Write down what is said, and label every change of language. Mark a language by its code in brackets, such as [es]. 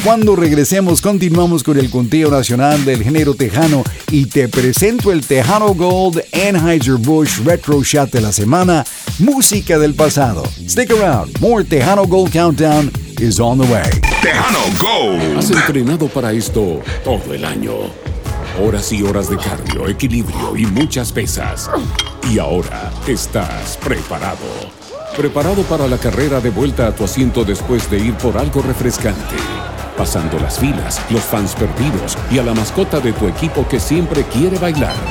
[es] Cuando regresemos, continuamos con el conteo nacional del género Tejano y te presento el Tejano Gold Anheuser-Busch Retro Shot de la Semana, música del pasado. [en] Stick around. More Tejano Gold Countdown is on the way. Tejano Gold. [es] Has entrenado para esto todo el año. Horas y horas de cardio, equilibrio y muchas pesas. Y ahora estás preparado. Preparado para la carrera de vuelta a tu asiento después de ir por algo refrescante. Pasando las filas, los fans perdidos y a la mascota de tu equipo que siempre quiere bailar.